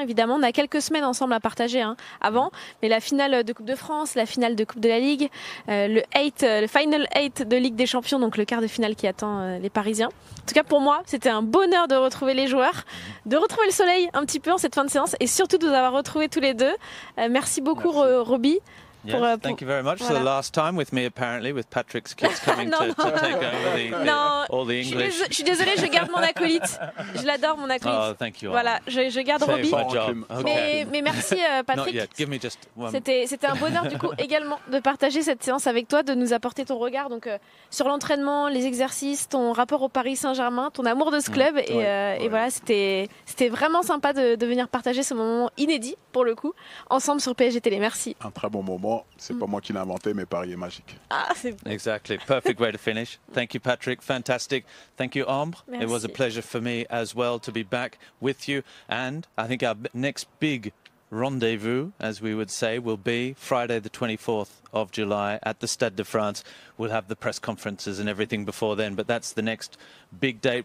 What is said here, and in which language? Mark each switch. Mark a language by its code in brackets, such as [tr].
[fr] Évidemment, on a quelques semaines ensemble à partager, hein, avant, mais la finale de Coupe de France, la finale de Coupe de la Ligue, le Final 8 de Ligue des Champions, donc le quart de finale qui attend les Parisiens. En tout cas, pour moi, c'était un bonheur de retrouver les joueurs, de retrouver le soleil un petit peu en cette fin de séance et surtout de vous avoir retrouvés tous les deux. Merci beaucoup, Roby. [en] Yes, thank you very much. Voilà. So the last time with me, apparently, with Patrick's kids coming to take over all the English. [fr] Je suis désolée, je garde mon acolyte. Je l'adore, mon acolyte. [en] Oh, thank you. [fr] Voilà, je garde Roby. [en] Save my job. [fr] Mais merci, Patrick. [en] Not yet. Give me just one. [fr] C'était un bonheur, du coup, également, de partager cette séance avec toi, de nous apporter ton regard donc, sur l'entraînement, les exercices, ton rapport au Paris Saint-Germain, ton amour de ce club. Mmh. Et voilà, c'était vraiment sympa de venir partager ce moment inédit, pour le coup, ensemble sur PSG Télé. Merci. Un très bon moment. C'est pas moi qui l'ai inventé, mais Paris est magique. Ah, c'est bon. [en] Exactly. Perfect way to finish. Thank you, Patrick. Fantastic. Thank you, Ambre. [fr] Merci. [en] It was a pleasure for me as well to be back with you. And I think our next big rendezvous, as we would say, will be Friday the 24th of July at the Stade de France. We'll have the press conferences and everything before then, but that's the next big date.